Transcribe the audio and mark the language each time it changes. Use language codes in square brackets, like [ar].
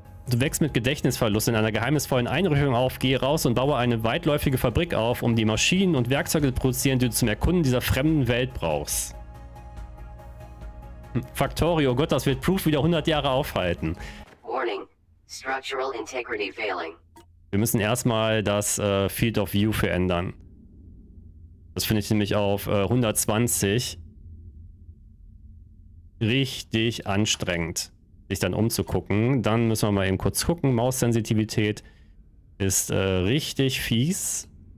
[de] Du wächst mit Gedächtnisverlust in einer geheimnisvollen Einrichtung auf, gehe raus und baue eine weitläufige Fabrik auf, um die Maschinen und Werkzeuge zu produzieren, die du zum Erkunden dieser fremden Welt brauchst. Factorio, Gott, das wird Proof wieder 100 Jahre aufhalten. [en] Warning. Structural Integrity failing. [de] Wir müssen erstmal das Field of View verändern. Das finde ich nämlich auf 120. Richtig anstrengend, sich dann umzugucken. Dann müssen wir mal eben kurz gucken. Maussensitivität ist richtig fies.